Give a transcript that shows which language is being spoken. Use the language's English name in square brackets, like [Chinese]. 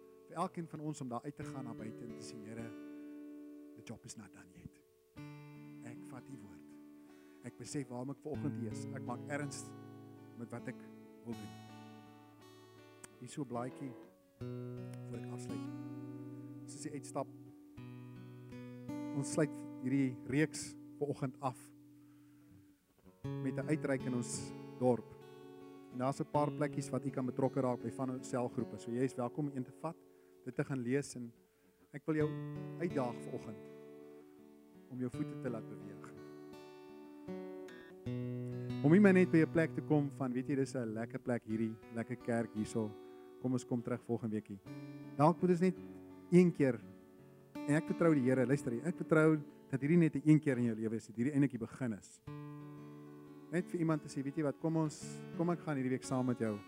[Afrikaans] Vir elkeen van ons om daar uit te gaan na buiten en te sê, Here, [English] the job is not done yet. [Afrikaans] Ek vat die woord. Ek besef waarom ek vanoggend hier is. Ek maak ernst met wat ek wil doen. Hierso blaaikie, voor ek afsluit. Soos die uitstap, ons sluit hierdie reeks vanoggend af met 'n uitreik in ons dorp. En daar's 'n paar plekkies wat jy kan betrokke raak by van ons selgroepe. So jy is welkom om een te vat, dit te gaan lees en ek wil jou uitdaag vanoggend om jou voete te laat beweeg. Om iemand net by 'n plek te kom van, weet jy, dis 'n lekker plek hierdie, lekker kerk hierso. Kom ons kom terug volgende weekie. Dalk moet ons net een keer. En ek vertrou die Here, luister hier, ek vertrou dat hierdie net 'n keer in jou lewe is, dat hierdie eintlik die begin is. Net vir iemand te sê, weet jy wat, kom ek gaan hierdie week saam met jou.